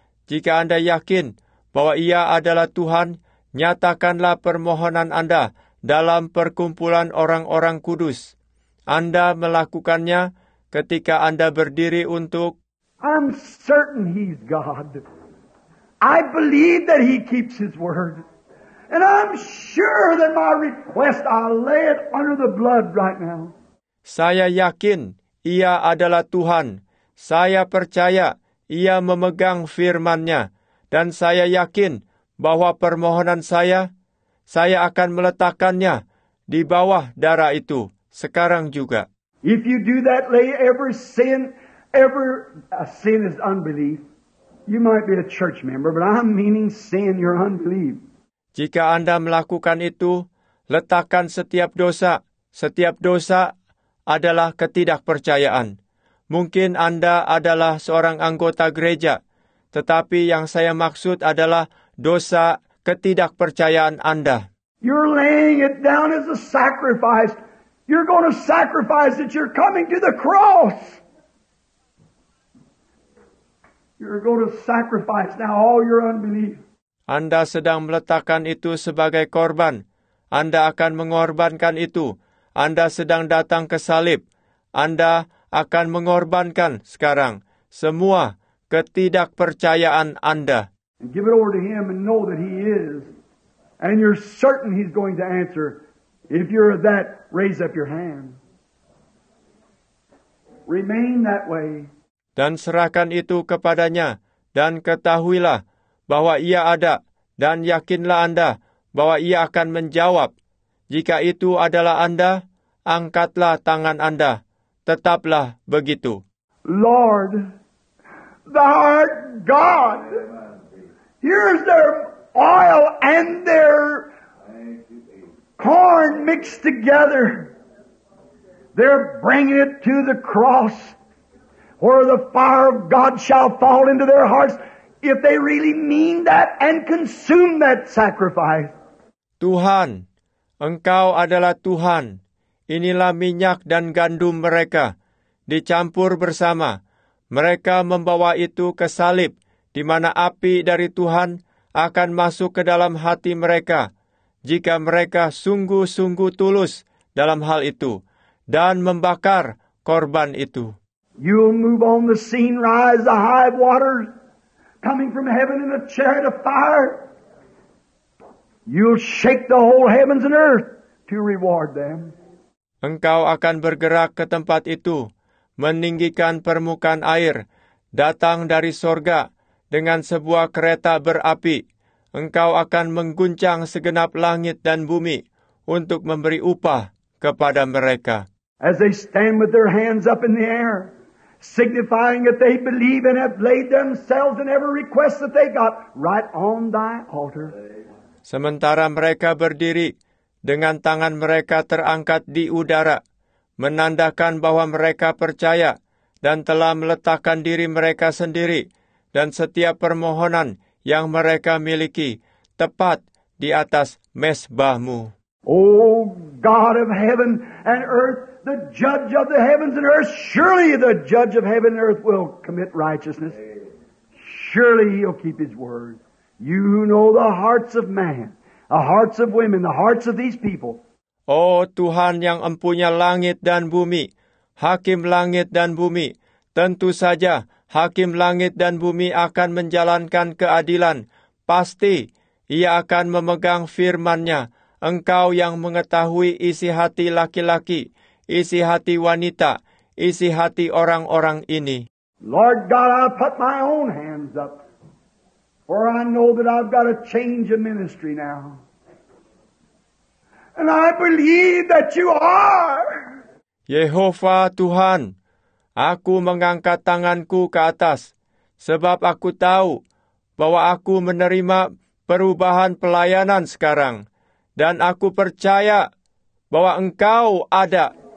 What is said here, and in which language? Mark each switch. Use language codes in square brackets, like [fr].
[id] Jika Anda yakin bahwa Ia adalah Tuhan, nyatakanlah permohonan Anda dalam perkumpulan orang-orang kudus. Anda melakukannya ketika Anda berdiri untuk [en] I'm certain He's God. I believe that He keeps His word. And I'm sure that my request, I'll lay it under the blood right now. [id] Saya yakin Ia adalah Tuhan. Saya percaya Ia memegang firman-Nya. Dan saya yakin bahwa permohonan saya akan meletakkannya di bawah darah itu sekarang juga. [en] If you do that, lay every sin is unbelief. You might be a church member, but I'm meaning sin, your unbelief. [id] Jika Anda melakukan itu, letakkan setiap dosa. Setiap dosa adalah ketidakpercayaan. Mungkin Anda adalah seorang anggota gereja, tetapi yang saya maksud adalah dosa ketidakpercayaan Anda. [en] You're laying it down as a sacrifice. You're going to sacrifice that you're coming to the cross. You're going to sacrifice now all your unbelief. [id] Anda sedang meletakkan itu sebagai korban. Anda akan mengorbankan itu. Anda sedang datang ke salib. Anda akan mengorbankan sekarang semua ketidakpercayaan Anda. [en] And give it over to Him and know that He is. And you're certain He's going to answer. If you're that, raise up your hand. Remain that way. [id] Dan serahkan itu kepada-Nya. Dan ketahuilah bahwa Ia ada. Dan yakinlah Anda bahwa Ia akan menjawab. Jika itu adalah Anda, angkatlah tangan Anda. Tetaplah begitu. [en] Lord, Thou art God. Here's their oil and their corn mixed together. They're bringing it to the cross where the fire of God shall fall into their hearts. If they really mean that and consume that sacrifice. [id] Tuhan, Engkau adalah Tuhan. Inilah minyak dan gandum mereka. Dicampur bersama. Mereka membawa itu ke salib, di mana api dari Tuhan akan masuk ke dalam hati mereka, jika mereka sungguh-sungguh tulus dalam hal itu, dan membakar korban itu. [en] You'll move on the scene, rise the high waters. Coming from heaven in a chariot of fire, you'll shake the whole heavens and earth to reward them. [id] Engkau akan bergerak ke tempat itu, meninggikan permukaan air, datang dari sorga dengan sebuah kereta berapi. Engkau akan mengguncang segenap langit dan bumi untuk memberi upah kepada mereka. [en] As they stand with their hands up in the air, signifying that they believe and have laid themselves in every request that they got right on Thy altar. [id] Sementara mereka berdiri dengan tangan mereka terangkat di udara, menandakan bahwa mereka percaya dan telah meletakkan diri mereka sendiri dan setiap permohonan yang mereka miliki tepat di atas mesbah-Mu. [en] Oh, God of heaven and earth, the judge of the heavens and earth, surely the judge of heaven and earth will commit righteousness. Surely he'll keep his word. You who know the hearts of man, the hearts of women, the hearts of these people. [id] Oh, Tuhan yang empunya langit dan bumi, Hakim langit dan bumi, tentu saja Hakim langit dan bumi akan menjalankan keadilan. Pasti ia akan memegang firman-Nya. Engkau yang mengetahui isi hati laki-laki, isi hati wanita, isi hati orang-orang ini. [en] Lord God, I put my own hands up, for I know that I've got a change of ministry now. And I believe that you are. [id] Yehova Tuhan, aku mengangkat tanganku ke atas, sebab aku tahu bahwa aku menerima perubahan pelayanan sekarang. Dan aku percaya bahwa engkau ada.